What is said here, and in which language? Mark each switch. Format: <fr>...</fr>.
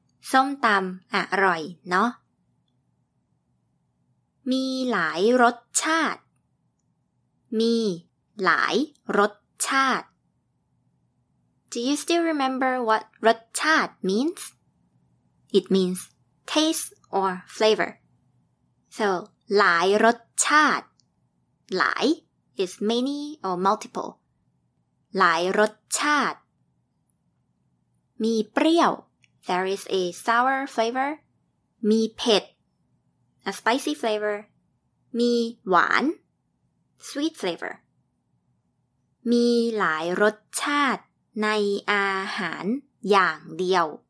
<th>ส้มตำอร่อยเนาะมีหลายรสชาติมีหลายรสชาติ</th> <en>Do you still remember what รสชาติ means? It means taste or flavor. So, หลายรสชาติ หลาย is many or multiple</en> <th>หลายรสชาติมีเปรี้ยว</th> <en>there is a sour flavor มีเผ็ด a spicy flavor มีหวาน sweet flavor</en> <th>มีหลายรสชาติในอาหารอย่างเดียว</th>